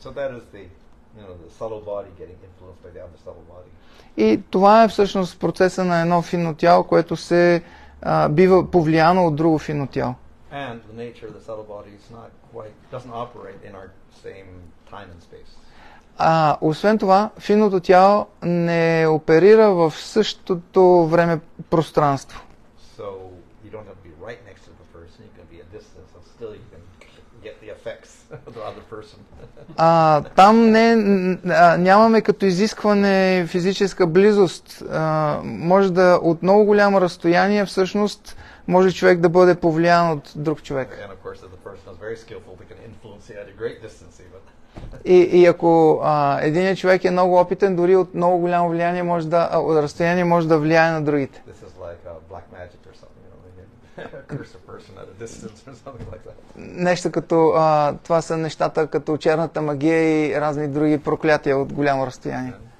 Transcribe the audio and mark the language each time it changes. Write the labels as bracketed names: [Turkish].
[English] So that is the, you know, the subtle body getting influenced by the other subtle body. [Bulgarian] И това е всъщност процеса на едно финно тяло, което се бива повлияно от друго финно тяло. [English] And the nature of the subtle body is not quite doesn't operate in our same time and space. [Bulgarian] Освен това, финното тяло не оперира в същото време пространство. [English] So you don't have to be right next to the person, you can be a distance and still you can get the effects of the other person. [Bulgarian] Там не нямаме като изискване физическа близост. Може да от много голямо разстояние всъщност може човек да бъде повлиян от друг човек. [English] And of course, if the person is very skillful, they can influence you at a great distance even. [Bulgarian] И ако един човек е много опитен, дори от много голямо влияние може да, от разстояние може да влияе на другите. [English] This is like a black magic or something, you know, they can curse a person at a distance or something like that. [Bulgarian] Нещо като, това са нещата като черната магия и разни други проклятия от голямо разстояние.